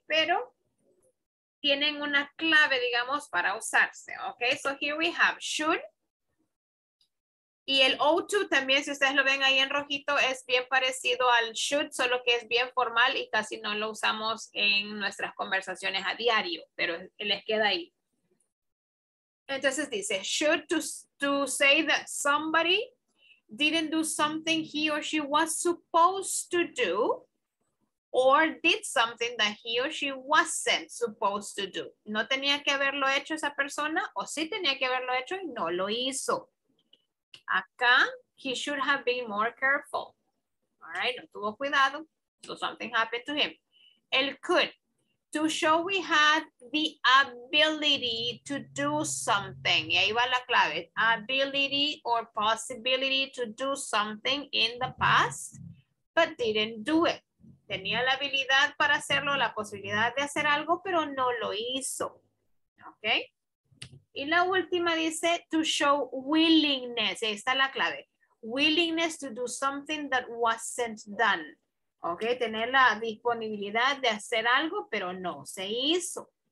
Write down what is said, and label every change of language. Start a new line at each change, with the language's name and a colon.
Spanish: Pero tienen una clave, digamos, para usarse, ¿ok?
English: So here we have should.
Spanish: Y el O2 también, si ustedes lo ven ahí en rojito, es bien parecido al should, solo que es bien formal y casi no lo usamos en nuestras conversaciones a diario, pero les queda ahí. Entonces dice,
English: should to say that somebody didn't do something he or she was supposed to do or did something that he or she wasn't supposed to do.
Spanish: ¿No tenía que haberlo hecho esa persona o sí tenía que haberlo hecho y no lo hizo?
English: Acá, he should have been more careful. All right,
Spanish: no tuvo cuidado.
English: So something happened to him. El could. To show we had the ability to do something.
Spanish: Y ahí va la clave.
English: Ability or possibility to do something in the past, but didn't do it.
Spanish: Tenía la habilidad para hacerlo, la posibilidad de hacer algo, pero no lo hizo. Okay. Y la última dice,
English: to show willingness.
Spanish: Ahí está la clave.
English: Willingness to do something that wasn't done.
Spanish: Ok, tener la disponibilidad de hacer algo, pero no se hizo.